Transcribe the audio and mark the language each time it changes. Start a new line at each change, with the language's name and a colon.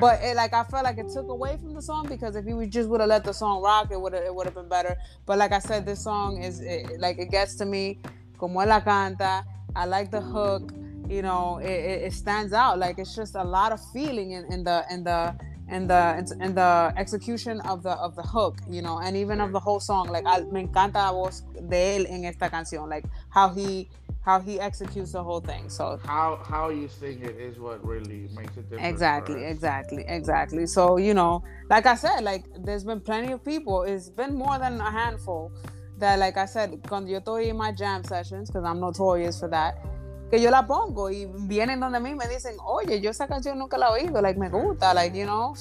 English: But it, like, I felt like it took away from the song, because if you just would have let the song rock, it would have been better. But like I said, this song is, it gets to me,
Spanish: como él la canta,
English: I like the hook, you know, it stands out. Like, it's just a lot of feeling in the execution of the hook, you know, and even of the whole song. Like,
Spanish: me encanta la voz de él en esta canción.
English: Like, how he executes the whole thing. So how you sing it is what really makes it different. Exactly. So, you know, like I said, like, there's been plenty of people. It's been more than a handful that, like I said,
Spanish: cuando yo estoy
English: in my jam sessions, because I'm notorious for that,
Spanish: que yo la pongo y vienen donde a mí me dicen, oye, yo esa canción nunca la he oído,
English: like,
Spanish: me gusta,
English: like, you know.